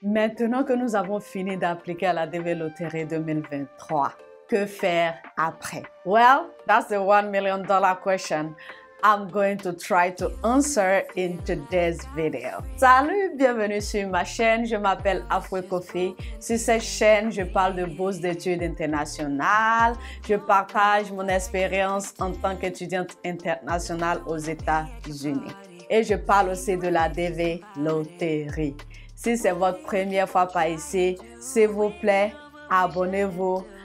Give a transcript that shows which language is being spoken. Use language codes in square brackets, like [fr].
[fr] Maintenant que nous avons fini d'appliquer à la DVLOTERIE 2023, que faire après? [en] Well, that's the $1 million question I'm going to try to answer in today's video. [fr] Salut, bienvenue sur ma chaîne. Je m'appelle Afwe Kofi. Sur cette chaîne, je parle de bourses d'études internationales. Je partage mon expérience en tant qu'étudiante internationale aux États-Unis. Et je parle aussi de la DVLOTERIE. Si c'est votre première fois par ici, s'il vous plaît, abonnez-vous.